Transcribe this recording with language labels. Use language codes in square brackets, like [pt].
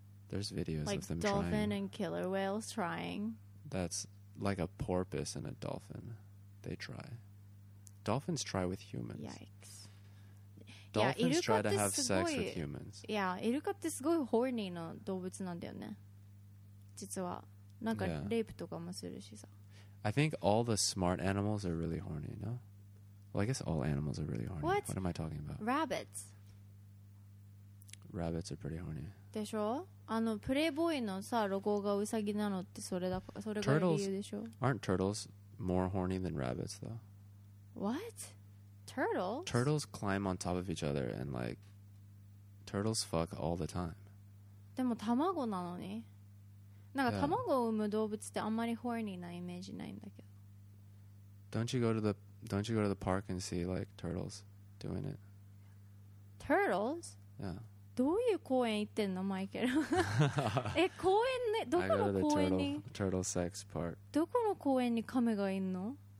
[en] There's videos like of them dolphin Dolphin and killer whales trying. That's like a porpoise and a dolphin. They try. Dolphins try with humans. Yikes. Dolphins yeah, try to have sex with humans. [ja] Yeah, イルカってすごい horny な動物なんだよね。実は。なんかレイプとかもするしさ。 [en] I think all the smart animals are really horny, no? Well, I guess all animals are really horny. What? What am I talking about? Rabbits. Rabbits are pretty horny. [ja] でしょ? あの、プレイボーイのさ、ロゴがウサギなのってそれだ、それが理由でしょ? [en] Aren't turtles more horny than rabbits, though? What? Turtles? Turtles climb on top of each other and, like, turtles fuck all the time. [ja] でも卵なのに? なんか卵を産む動物ってあんまりホーニーなイメージないんだけど。 [en] Don't you go to the park and see like turtles doing it? Turtles? Yeah. [ja] どういう公園行ってんのマイケル。え、公園ね、どこの公園に、 [en] turtle sex park. [ja] どこの公園にカメがいんの。